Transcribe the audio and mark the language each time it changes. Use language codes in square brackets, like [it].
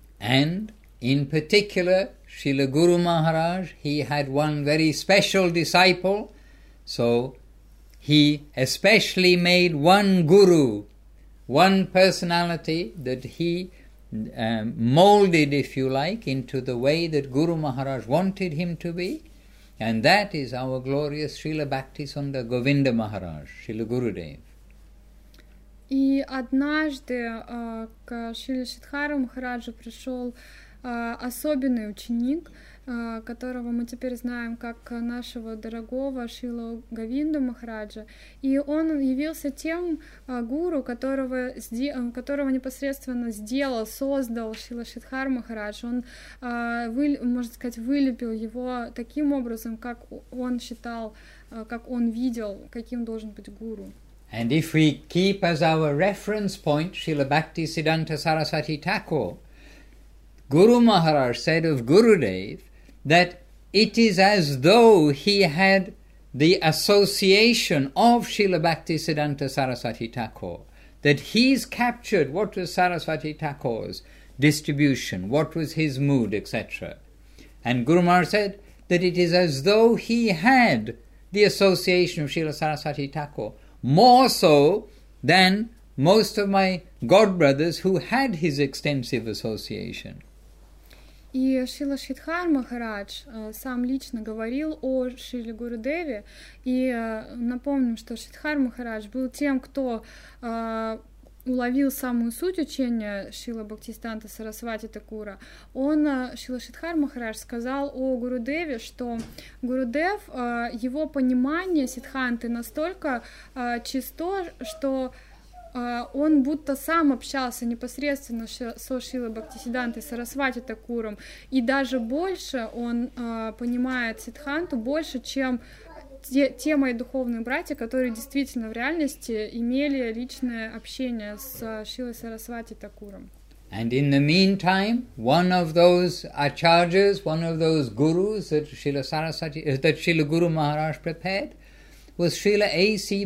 [en] And in particular, Шрила Гуру Махарадж, he had one very special disciple, so he especially made one guru, one personality that he molded, if you like, into the way that Guru Maharaj wanted him to be, and that is our glorious Srila Bhaktisunda Govinda Maharaj, Srila Gurudev. [ru] И однажды к Шриле Шридхару Махараджу пришел особенный ученик, которого мы теперь знаем как нашего дорогого Шрилу Говинду Махараджа. И он явился тем гуру, которого непосредственно создал Шрила Шридхар Махарадж. Он, можно сказать, вылепил его таким образом, как он считал, как он видел, каким должен быть гуру. [en] And if we keep as our reference point Srila Bhakti Siddhanta Sarasvati Thakur, Guru Maharaj said of Gurudev that it is as though he had the association of Srila Bhakti Siddhanta Sarasvati Thakur, that he's captured what was Sarasvati Thakur's distribution, what was his mood, etc. And Guru Maharaj said that it is as though he had the association of Srila Sarasvati Thakur, more so than most of my godbrothers who had his extensive association. [ru] И Шрила Шридхар Махарадж сам лично говорил о Шриле Гурудеве. И напомним, что Шридхар Махарадж был тем, кто уловил самую суть учения Шрила Бхактисиддханта Сарасвати Такура. Он, Шрила Шридхар Махарадж, сказал о Гурудеве, что Гурудев, его понимание сиддханты настолько чисто, что он будто сам общался непосредственно со Шрилой Бхактисиддхантой Сарасвати Такуром, и даже больше он понимает сиддханту, больше, чем те мои духовные братья, которые действительно в реальности имели личное общение с Шрилой Сарасвати Такуром. [en] And in the meantime, one of those acharyas, one of those gurus that Srila Sarasvati, that Srila Guru Maharaj prepared, was Srila A.C.